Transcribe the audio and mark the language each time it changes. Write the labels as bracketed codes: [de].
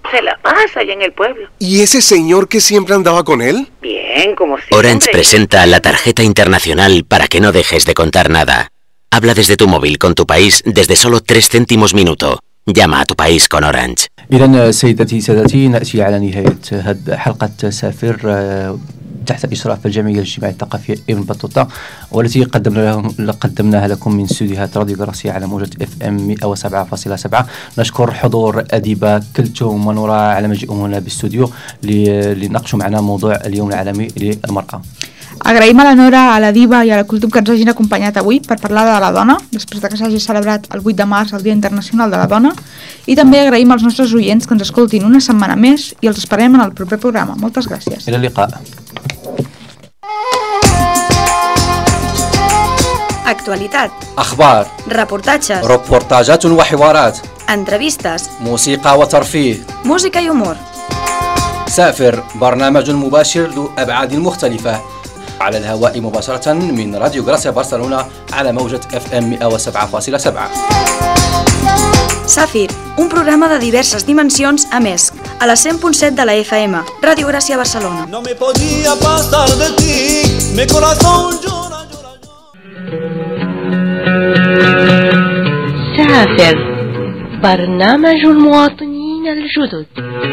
[es] Se la pasa allá en el pueblo. ¿Y ese señor que siempre andaba con él? Bien, como siempre. Orange presenta la tarjeta internacional para que no dejes de contar nada. Habla desde tu móvil con tu país desde solo 3 céntimos minuto. Llama a tu país con Orange. [ar] إذن سيدتي سادتي، نأتي على نهاية حلقة سافر تحت إشراف الجمعية الاجتماعية الثقافية ابن بطوطة، والتي قدمناها لكم من استوديوهات راديو غراسية على موجة FM 107.7. نشكر حضور أديبة كلتوم ونورا على مجيئهم هنا بالاستوديو لنقشوا معنا موضوع اليوم العالمي للمرأة. [ca] Agraïm a la Nora, a la Diva i a la Cultum que ens hagin acompanyat avui per parlar de la dona, després que s'hagi celebrat el 8 de març el Dia Internacional de la Dona. I també agraïm als nostres oients que ens escoltin una setmana més i els esperem en el proper programa. Moltes gràcies. [ar] Ila liqa. [ca] Actualitat. [ar] Akhbar. [ca] Reportatges. Reportatges i [ar] hiwarat. [ca] Entrevistes. Música i [ar] tarfih. [ca] Música i humor. [ar] Safir, برنامج مباشر ذو أبعاد مختلفة. على الهواء مباشرة من راديو غراسيا برشلونة على موجة FM 107.7. [ca] سافير، un programa de diverses dimensions a MESC, a la 100.7 de la FM, Radio Gràcia Barcelona. [es] No me podía pasar de ti, mi corazón llora, llora, llora. [ar] سافير، برنامج المواطنين الجدد.